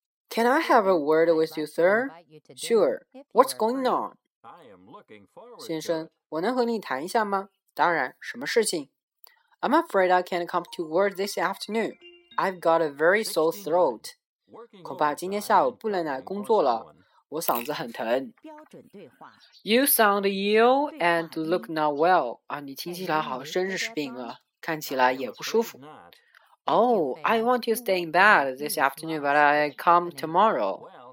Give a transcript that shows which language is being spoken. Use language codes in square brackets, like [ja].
[en] Can I have a word with you, sir? Sure. What's going on? [zh] 先生，我能和你谈一下吗？当然，什么事情？ [en] I'm afraid I can't come to work this afternoon. I've got a very sore throat. [zh] 恐怕今天下午不能来工作了。我嗓子很疼。 [en] You sound ill and look not well. [zh] 啊，你听起来好像真是病了，看起来也不舒服。 [en] Oh, I want to stay in bed this afternoon, but I come tomorrow.